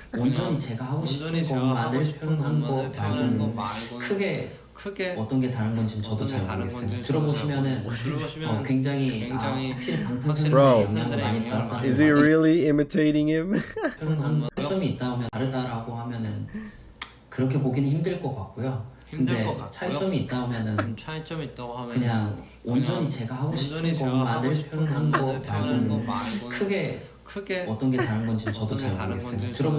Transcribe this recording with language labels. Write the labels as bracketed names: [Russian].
[Korean] 그냥 온전히 제가 하고 싶은 것만을 표현한 것 말고 크게 어떤 게 다른 건지 저도 잘 모르겠어요. 들어보시면은 굉장히 확실히 방탄소년단 많이 따라다. [English] Is he really imitating him? [Korean] 차이점이 있다면 다르다라고 하면은 그렇게 보기는 힘들 것 같고요. 힘들 것 같고요. 차이점이 있다면은 차이점이 있다고 하면 그냥 온전히 제가 하고 싶은 것만을 표현한 것 말고 크게 어떤 게 다른 건지 저도 잘 모르겠어요.